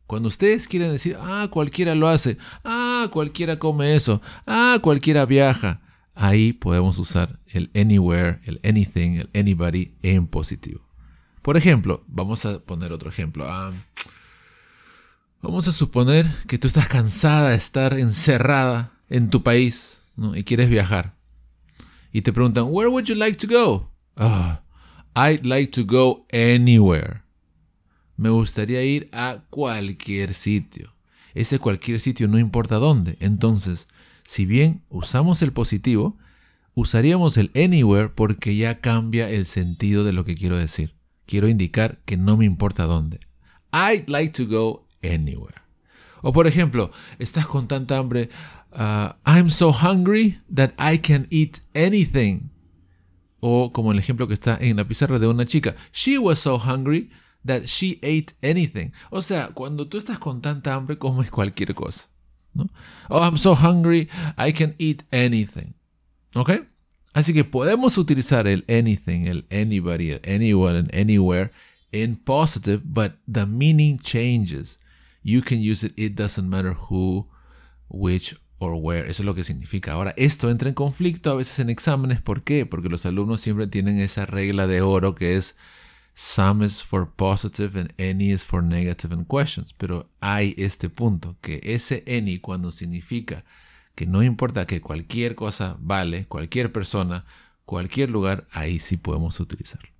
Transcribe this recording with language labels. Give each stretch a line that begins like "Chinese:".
Spanish: Cuando ustedes quieren decir, cualquiera lo hace, cualquiera come eso, cualquiera viaja, ahí podemos usar el anywhere, el anything, el anybody en positivo. Por ejemplo, vamos a poner otro ejemplo. Vamos a suponer que tú estás cansada de estar encerrada en tu país, ¿no? Y quieres viajar. Y te preguntan,
English: where would you like to go? I'd like to go anywhere.
Spanish: Me gustaría ir a cualquier sitio. Ese cualquier sitio no importa dónde. Entonces, si bien usamos el positivo, usaríamos el anywhere porque ya cambia el sentido de lo que quiero decir. Quiero indicar que no me importa dónde.
English: I'd like to go anywhere.
Spanish: O por ejemplo, estás con tanta hambre.
English: I'm so hungry that I can eat anything.
Spanish: O como el ejemplo que está en la pizarra de una chica.
English: She was so hungry that she ate anything.
Spanish: O sea, cuando tú estás con tanta hambre, comes cualquier cosa, ¿no?
English: Oh, I'm so hungry, I can eat anything. ¿Ok?
Spanish: Así que podemos utilizar el
English: anything, el anybody, el anyone, and anywhere in positive, but the meaning changes. You can use it, it doesn't matter who, which, or where.
Spanish: Eso es lo que significa. Ahora, esto entra en conflicto a veces en exámenes. ¿Por qué? Porque los alumnos siempre tienen esa regla de oro que es
English: some is for positive and any is for negative and questions.
Spanish: Pero hay este punto, que ese any, cuando significa que no importa que cualquier cosa vale, cualquier persona, cualquier lugar, ahí sí podemos utilizarlo.